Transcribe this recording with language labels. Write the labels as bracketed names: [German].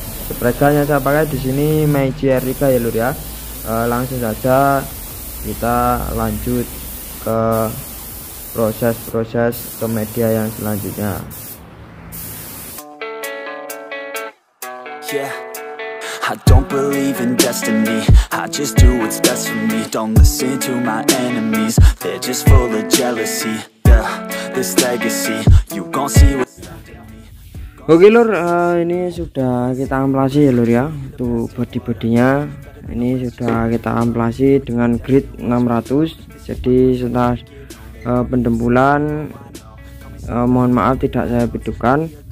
[Indonesian] Spreganya saya pakai di sini Meiji R3 ya lur ya. Langsung saja kita lanjut ke proses-proses ke media yang selanjutnya. Yeah. [English] I don't believe in destiny, I just do what's best for me. Don't listen to my enemies, they're just full of jealousy. Yeah, this legacy, you gon' see what... [Indonesian] Oke lur, ini sudah kita amplasi ya lur ya, untuk body-bodinya. Ini sudah kita amplasi dengan grit 600. Jadi setelah pendempulan, mohon maaf tidak saya bedukan.